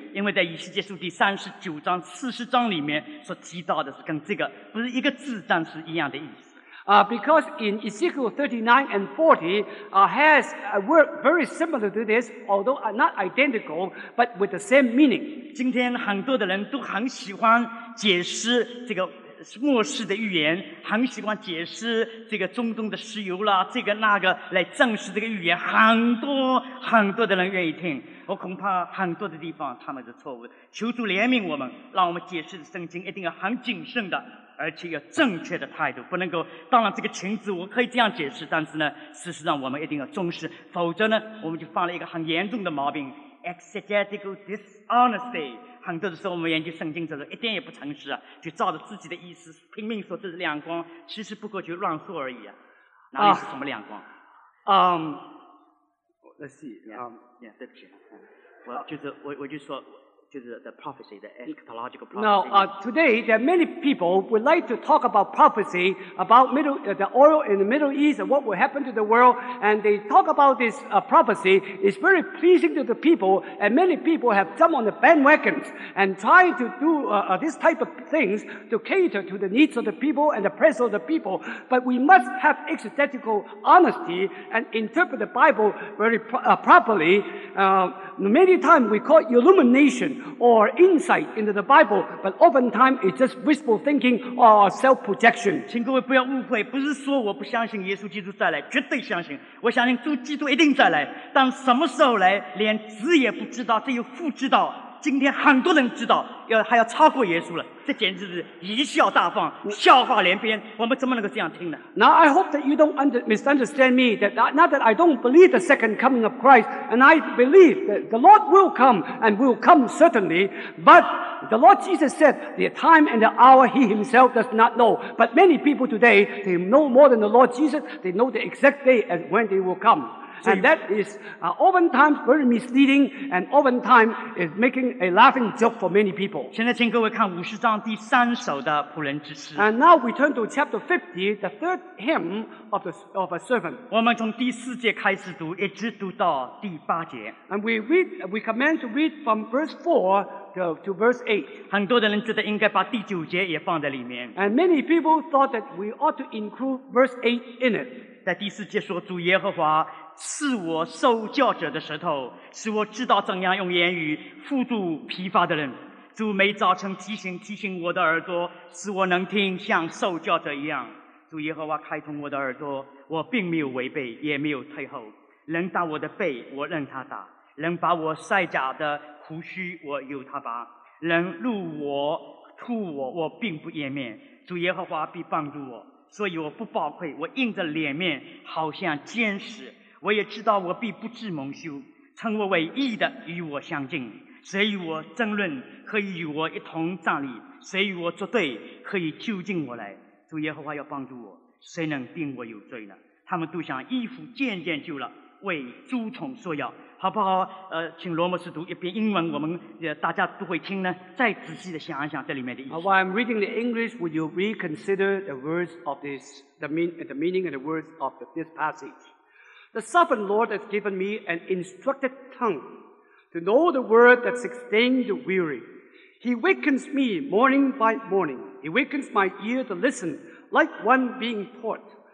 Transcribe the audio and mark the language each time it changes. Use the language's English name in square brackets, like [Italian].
[Chinese] 因为在以西结书第三十九章、四十章里面所提到的是跟这个不是一个字，但是一样的意思。 [English] Because in Ezekiel 39 and 40 has a word very similar to this, although not identical, but with the same meaning. [Chinese] 今天很多的人都很喜欢解释这个末世的预言，很喜欢解释这个中东的石油啦，这个那个来证实这个预言，很多很多的人愿意听。我恐怕很多的地方他们是错误的。求主怜悯我们，让我们解释的圣经一定要很谨慎的，而且要正确的态度，不能够。当然这个情字我可以这样解释，但是呢，事实上我们一定要重视，否则呢，我们就犯了一个很严重的毛病 ， [English] exegetical dishonesty。 [Chinese] 很多的时候我们研究圣经的时候一点也不诚实，就照着自己的意思拼命说这是亮光，其实不过就乱说而已，哪里是什么亮光。 [English] Let's see. [Chinese] Yeah, 对不起，我就说我就说就是 [English] the prophecy, the eschatological prophecy. Now, today, there are many people who would like to talk about prophecy, about the oil in the Middle East, and what will happen to the world, and they talk about this prophecy. It's very pleasing to the people, and many people have jumped on the bandwagons and tried to do this type of things to cater to the needs of the people and the pressure of the people. But we must have exegetical honesty and interpret the Bible very properly. Many times we call it illumination, or insight into the Bible, but oftentimes it's just wishful thinking or self-projection. [Chinese] 请各位不要误会，不是说我不相信耶稣基督再来，绝对相信，我相信主基督一定再来，但什么时候来，连子也不知道，只有父知道。今天很多人知道，还要超过耶稣了，这简直是贻笑大方，笑话连篇，我们怎么能够这样听呢？ [English] Now I hope that you don't misunderstand me, that not that I don't believe the second coming of Christ, and I believe that the Lord will come, and will come certainly, but the Lord Jesus said, the time and the hour he himself does not know, but many people today, they know more than the Lord Jesus, they know the exact day and when they will come. And that is oftentimes very misleading, and oftentimes is making a laughing joke for many people. [Chinese] 现在请各位看五十章第三首的仆人之诗。 [English] And now we turn to chapter 50, the third hymn of a servant. [Chinese] 我们从第四节开始读，一直读到第八节。 [English] And we commence to read from verse 4 to verse 8. [Chinese] 很多的人觉得应该把第九节也放在里面。 [English] And many people thought that we ought to include verse 8 in it. [Chinese] 在第四节说，主耶和华赐我受教者的舌头，使我知道怎样用言语辅助疲乏的人。主每早晨提醒我的耳朵，使我能听，像受教者一样。主耶和华开通我的耳朵，我并没有违背，也没有退后。人打我的背，我任他打；人把我塞甲的胡须，我由他拔；人辱我、吐我，我并不掩面。主耶和华必帮助我，所以我不报愧，我硬着脸面，好像坚实。我也知道我必不致蒙羞，称我为义的与我相近，谁与我争论可以与我一同站立，谁与我作对可以就近我来。主耶和华要帮助我，谁能定我有罪呢？他们都想衣服渐渐旧了，为蛀虫所咬，好不好？请罗摩斯读一遍英文，我们大家都会听呢，再仔细的想一想这里面的意思。 [English] While I'm reading the English, would you reconsider the words of this, the meaning and the words of this passage? The sovereign Lord has given me an instructed tongue to know the word that sustains the weary. He wakens me morning by morning. He wakens my ear to listen like one being taught.